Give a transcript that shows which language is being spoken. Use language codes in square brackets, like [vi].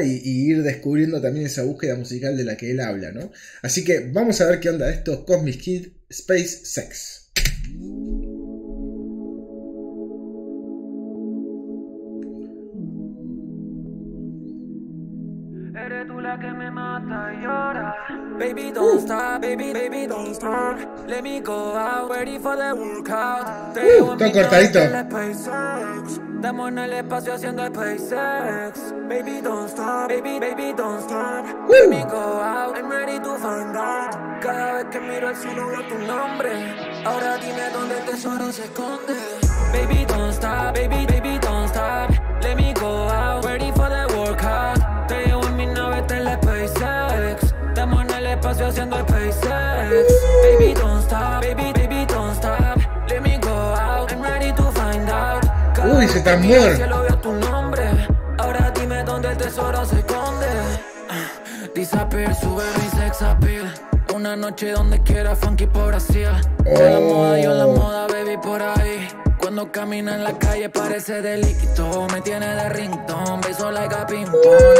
[es] Y ir descubriendo también esa búsqueda musical de la que él habla, ¿no? Así que vamos a ver qué onda esto, Cosmic Kid, Space Sex. Eres tú la que me mata y llora. [en] Baby, don't stop, baby, baby, don't stop. Let me go out, ready for the workout. [es] Te llevo mi novia en cortadito. el SpaceX. Estamos en el espacio haciendo SpaceX. [en] Baby, don't stop, baby, baby, don't stop. Let me go out, I'm ready to find out. [es] Cada vez que miro al cielo veo tu nombre. Ahora dime dónde el tesoro se esconde. [en] Baby, don't stop, baby, baby, don't stop. Let me go out, ready for the workout. [es] Te llevo en mi nave en el SpaceX. Estamos en el espacio haciendo SpaceX. [en] Baby, don't stop, baby, baby, don't stop. Let me go out, I'm ready to find out. [es] Uy, se está muerto. Cielo veo tu nombre. Ahora dime dónde el tesoro se esconde. [en] Disappear, [es] sube mi sex appeal. Una noche donde quiera, funky por Brasil. De la moda, yo la moda, baby, por ahí. Cuando camina en la calle parece delito. Me tiene de rington, beso [en] like a ping pong.